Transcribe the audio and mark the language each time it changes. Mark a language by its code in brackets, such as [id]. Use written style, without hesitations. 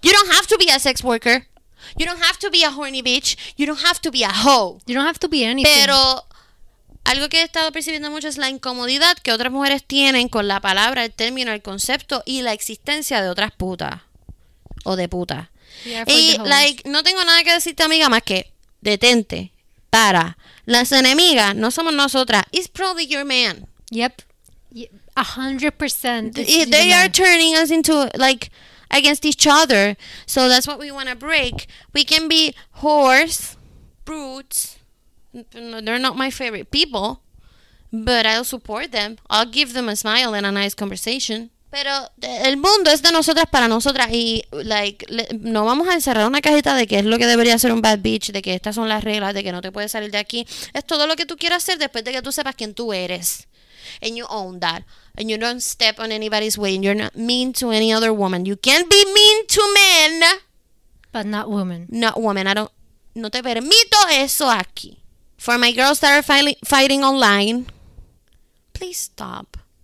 [en] You don't have to be a sex worker. You don't have to be a horny bitch. You don't have to be a hoe. You don't have to be anything. [es] Pero algo que he estado percibiendo mucho es la incomodidad que otras mujeres tienen con la palabra, el término, el concepto y la existencia de otras putas o de putas. Y [en] like, [es] no tengo nada que decirte, amiga, más que detente, para. Las enemigas no somos nosotras. [en] It's probably your man. Yep. 100%. They are turning us into like against each other, so that's what we want to break. We can be whores, brutes, they're not my favorite people, but I'll support them. I'll give them a smile and a nice conversation. [es] Pero el mundo es de nosotras para nosotras, y like, no vamos a encerrar una cajita de qué es lo que debería ser un [en] bad bitch, [es] de que estas son las reglas, de que no te puedes salir de aquí. Es todo lo que tú quieras hacer después de que tú sepas quién tú eres. [en] And you own that. And you don't step on anybody's way. And you're not mean to any other woman. You can't be mean to men. But not women. Not women. I don't. [es] No te permito eso aquí. [en] For my girls that are fighting online, please stop.